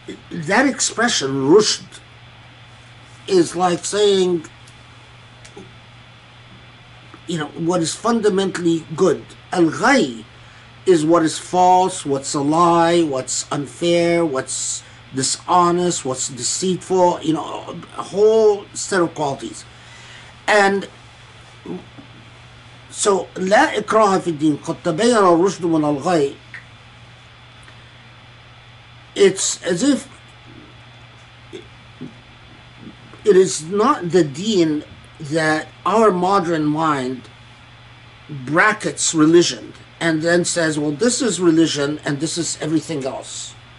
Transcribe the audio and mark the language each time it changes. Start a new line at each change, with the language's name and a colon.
English: That expression, rushd, is like saying, you know, what is fundamentally good. Al-ghay is what is false, what's a lie, what's unfair, what's dishonest, what's deceitful, you know, a whole set of qualities. And so,
Arabic: لا إكراه في الدين قد تبين الرشد من الغي.
English: It's as if it is not the deen that our modern mind brackets religion and then says, well, this is religion and this is everything else.